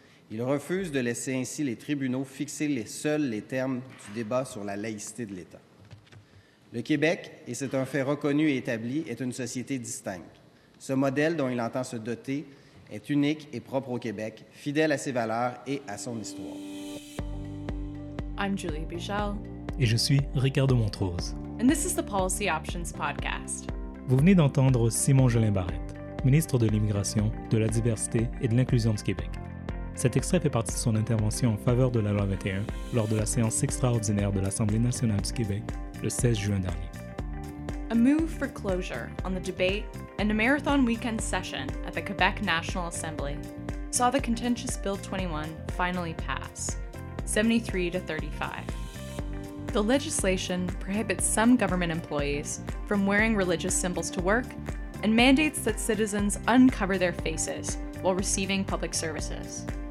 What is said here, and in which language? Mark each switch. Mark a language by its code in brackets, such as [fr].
[fr] Il refuse de laisser ainsi les tribunaux fixer seuls les termes du débat sur la laïcité de l'État. Le Québec, et c'est un fait reconnu et établi, est une société distincte. Ce modèle dont il entend se doter est unique et propre au Québec, fidèle à ses valeurs et à son histoire. [en] I'm Julie Bichal. [fr] Et je suis Ricardo Montrose. [en] And this is the Policy Options Podcast. [fr] Vous venez d'entendre Simon Jolin Barrette, ministre de l'Immigration, de la Diversité et de l'Inclusion du Québec. Cet extrait fait partie de son intervention en faveur de la loi 21 lors de la séance extraordinaire de l'Assemblée nationale du Québec le 16 juin dernier. [en] A move for closure on the debate and a marathon weekend session at the Quebec National Assembly saw the contentious Bill 21 finally pass, 73-35. The legislation prohibits some government employees from wearing religious symbols to work and mandates that citizens uncover their faces while receiving public services.